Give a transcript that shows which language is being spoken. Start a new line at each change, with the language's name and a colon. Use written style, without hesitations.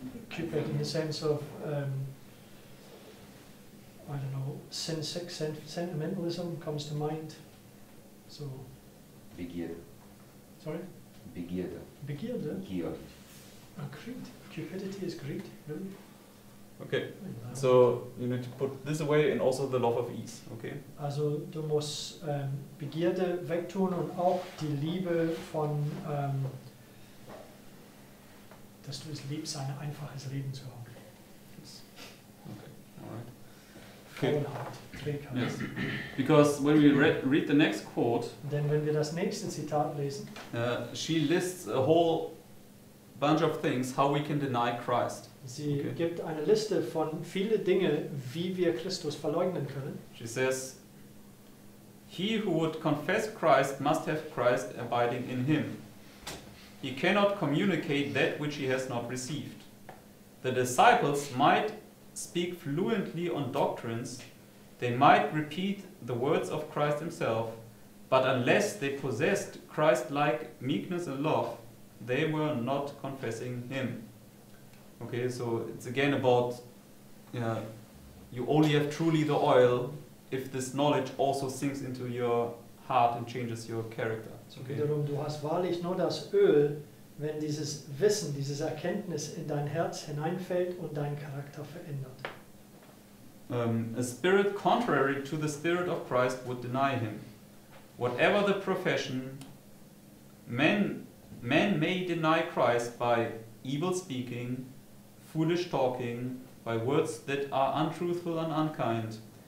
English: Cupid in the sense of, I don't know, sentimentalism comes to mind. So.
German: Begierde.
English: Sorry?
German: Begierde. Begierde? Gier.
English: Greed. Cupidity is greed, really? Okay, so you need to put this away and also the love of ease, okay?
German: Also du musst Begierde wegtun und auch die Liebe von, dass du es liebst, ein einfaches Leben zu haben.
English: Yes. Okay, alright.
German: Trägheit.
English: Yes. Because when we read the next quote,
German: then wenn wir das nächste Zitat lesen,
English: she lists a whole bunch of things how we can deny Christ.
German: Sie gibt eine Liste von viele Dinge, wie wir Christus verleugnen können.
English: She says, he who would confess Christ must have Christ abiding in him. He cannot communicate that which he has not received. The disciples might speak fluently on doctrines, they might repeat the words of Christ himself, but unless they possessed Christ-like meekness and love, they were not confessing him. Okay, so it's again about, you only have truly the oil if this knowledge also sinks into your heart and changes your character. Okay.
German: Wiederum, du hast wahrlich nur das Öl, wenn dieses Wissen, dieses Erkenntnis in dein Herz hineinfällt und deinen Charakter verändert.
English: A spirit contrary to the spirit of Christ would deny him. Whatever the profession, men may deny Christ by evil speaking, foolish talking, by words that are untruthful and unkind.